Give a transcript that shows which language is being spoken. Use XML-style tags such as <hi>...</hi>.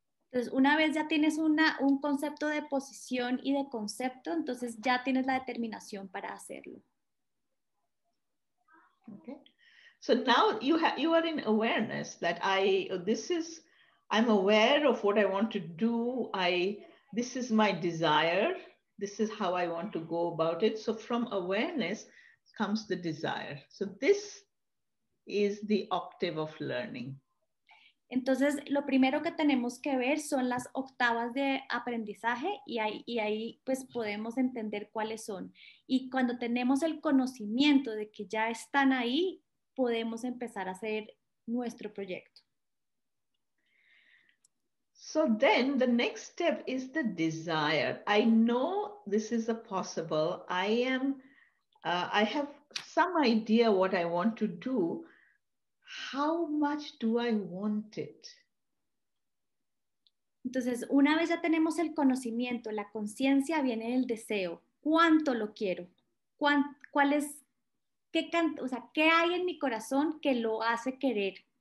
<es>Entonces, una vez ya tienes un concepto de posición y de concepto, entonces ya tienes la determinación para hacerlo.</es> <en>Okay. So now you are in awareness that I'm aware of what I want to do. This is my desire. This is how I want to go about it. So from awareness comes the desire. So this is the octave of learning.</en> <es>Entonces, lo primero que tenemos que ver son las octavas de aprendizaje y ahí pues podemos entender cuáles son. Y cuando tenemos el conocimiento de que ya están ahí, podemos empezar a hacer nuestro proyecto.</es> <en>So then the next step is the desire. I know this is a possible. I have some idea what I want to do. How much do I want it?</en> <es>Entonces, una vez ya tenemos el conocimiento, la conciencia, viene el deseo. ¿Cuánto lo quiero? ¿Qué hay en mi corazón que lo hace querer?</es>